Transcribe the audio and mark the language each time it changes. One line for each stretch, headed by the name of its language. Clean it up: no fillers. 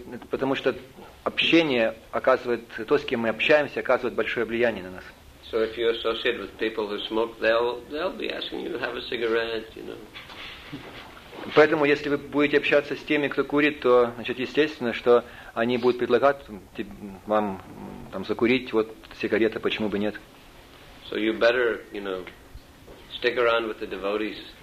Russian: Потому что общение оказывает, то, с кем мы общаемся, оказывает большое влияние на нас.
English: So if you associate with people who smoke, they'll be asking you to have a cigarette, you know.
Russian: Поэтому, если вы будете общаться с теми, кто курит, то, значит, естественно, что они будут предлагать вам там закурить, вот сигарета, почему бы нет.
English: So you better, you know, stick around with the devotees.